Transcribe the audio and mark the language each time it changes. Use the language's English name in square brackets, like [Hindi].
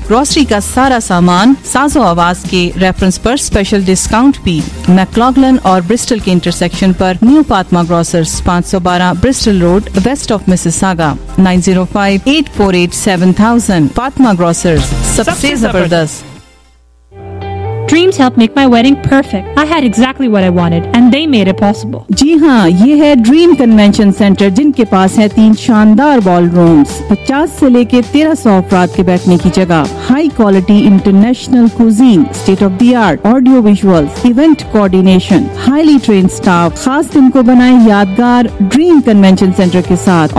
[Hindi] Grocery का सारा सामान साजो आवाज के रेफरेंस पर स्पेशल डिस्काउंट भी. मैकलॉगलन और ब्रिस्टल के इंटरसेक्शन पर new Fatima grocers, 512 Bristol road, waste of Mississauga. 9058487000. Fatima grocers, सबसे जबरदस्त. [English] Dreams helped make my wedding perfect. I had exactly what I wanted and they made it possible. [Hindi] जी हाँ, ये है ड्रीम कन्वेंशन सेंटर जिनके पास है 3 शानदार बॉल रूम्स, 50 से लेकर 1300 अफराद के बैठने की जगह, high quality international cuisine, state of the art audio visual, event coordination, highly train staff. खास दिन को बनाए यादगार ड्रीम कन्वेंशन सेंटर के साथ.